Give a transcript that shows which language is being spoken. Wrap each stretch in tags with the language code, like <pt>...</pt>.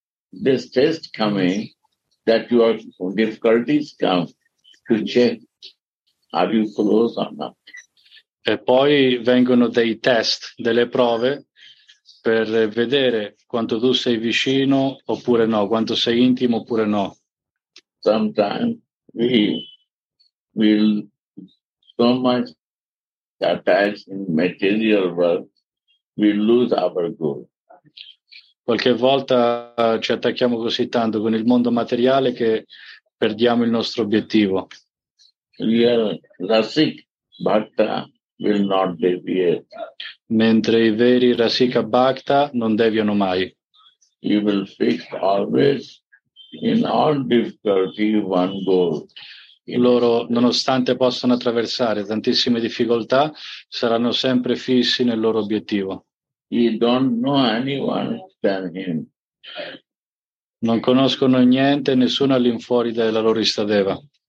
<en>This test coming that your difficulties come to check are you close or not.</en> <it>E poi vengono dei test, delle prove per vedere quanto tu sei vicino oppure no, quanto sei intimo oppure no.</it> <en>Sometimes we will so much attached in material world, we lose our goal.</en> <it>Qualche volta ci attacchiamo così tanto con il mondo materiale che perdiamo il nostro obiettivo.</it> <en>Real rasik bhakta will not deviate.</en> <it>Mentre i veri rasika bhakta non deviano mai.</it> <en>You will fix always in all difficulty one goal.</en> <it>Loro, nonostante possano attraversare tantissime difficoltà, saranno sempre fissi nel loro obiettivo.</it> <en>He don't know anyone than him.</en> <it>Non conoscono niente, nessuno all'infuori della loro istadeva.</it>